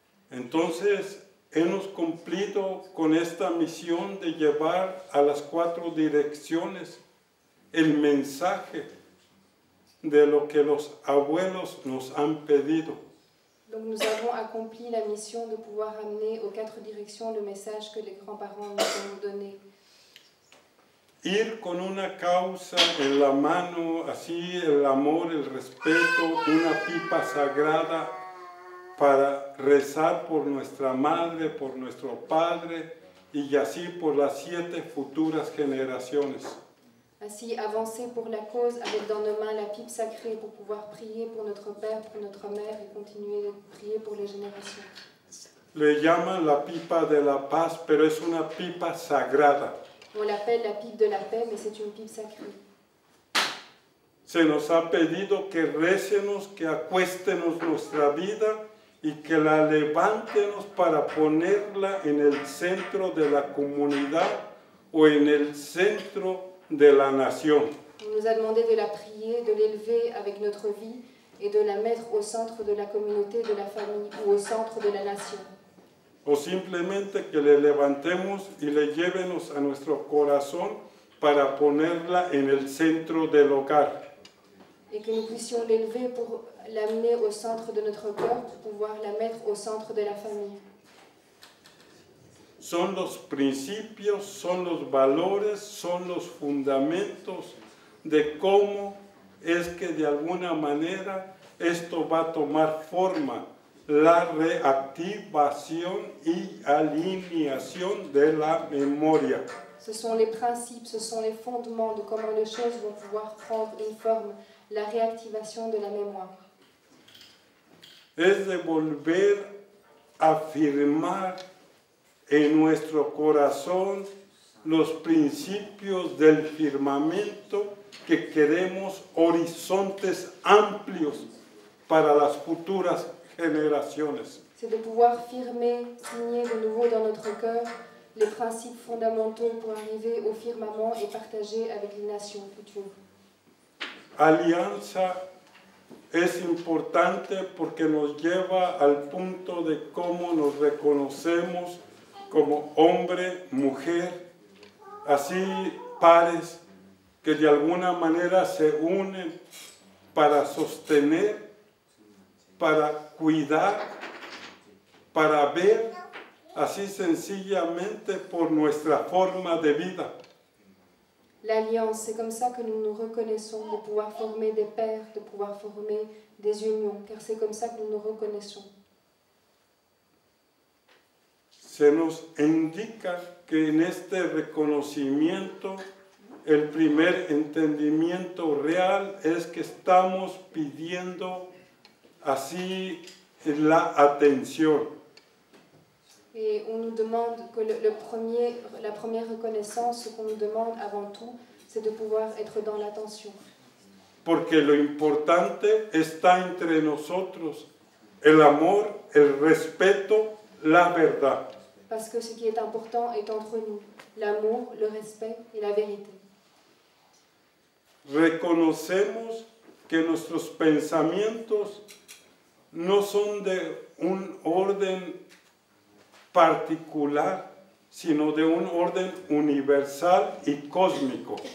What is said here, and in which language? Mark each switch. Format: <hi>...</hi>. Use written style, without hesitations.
<es>Entonces, hemos cumplido con esta misión de llevar a las cuatro direcciones el mensaje de lo que los abuelos nos han pedido.</es> <fr>Donc nous avons accompli la mission de pouvoir amener aux quatre directions le message que les grands-parents nous ont donné.</fr> <es>Ir con una causa en la mano, así el amor, el respeto, una pipa sagrada para rezar por nuestra madre, por nuestro padre y así por las siete futuras generaciones.</es> <fr>Ainsi, avancer pour la cause avec dans nos mains la pipe sacrée pour pouvoir prier pour notre père, pour notre mère et continuer de prier pour les générations.</fr> <es>Le llaman la pipa de la paz, pero es una pipa sagrada.</es> <fr>On l'appelle la pipe de la paix, mais c'est une pipe sacrée.</fr> <es>se nos ha pedido que recemos, que acuéstenos nuestra vida y que la levantemos para ponerla en el centro de la comunidad o en el centro de la nación.</es> <fr>Il nous a demandé de la prier, de l'élever avec notre vie et de la mettre au centre de la communauté, de la famille ou au centre de la nation.</fr> <es>O simplemente que le levantemos y le llevemos a nuestro corazón para ponerla en el centro del hogar.</es> <fr>Et que nous puissions l'élever pour l'amener au centre de notre cœur, pour pouvoir la mettre au centre de la famille.</fr> <es>Son los principios, son los valores, son los fundamentos de cómo es que de alguna manera esto va a tomar forma, la reactivación y alineación de la memoria.</es> <fr>Ce sont les principes, ce sont les fondements de comment les choses vont pouvoir prendre une forme, la réactivation de la mémoire.</fr> <es>Es de volver a firmar en nuestro corazón los principios del firmamento que queremos horizontes amplios para las futuras generaciones.</es> <fr>C'est de pouvoir firmer, signer de nouveau dans notre cœur les principes fondamentaux pour arriver au firmament et partager avec les nations futures.</fr> <es>Alianza es importante porque nos lleva al punto de cómo nos reconocemos como hombre, mujer, así pares que de alguna manera se unen para sostener, para cuidar, para ver, así sencillamente por nuestra forma de vida.</es> <fr>L'alliance, c'est comme ça que nous nous reconnaissons, de pouvoir former des pères, de pouvoir former des unions, car c'est comme ça que nous nous reconnaissons.</fr> <es>Se nos indica que en este reconocimiento el primer entendimiento real es que estamos pidiendo así la atención.</es> <fr>Et on nous demande que la première reconnaissance, ce qu'on nous demande avant tout, c'est de pouvoir être dans l'attention.</fr> <es>Porque lo importante está entre nosotros, el amor, el respeto, la verdad.</es> <fr>Parce que ce qui est important est entre nous, l'amour, le respect et la vérité.</fr> <es>Reconocemos que nuestros pensamientos no son de un orden particular, sino de un orden universal y cósmico.</es>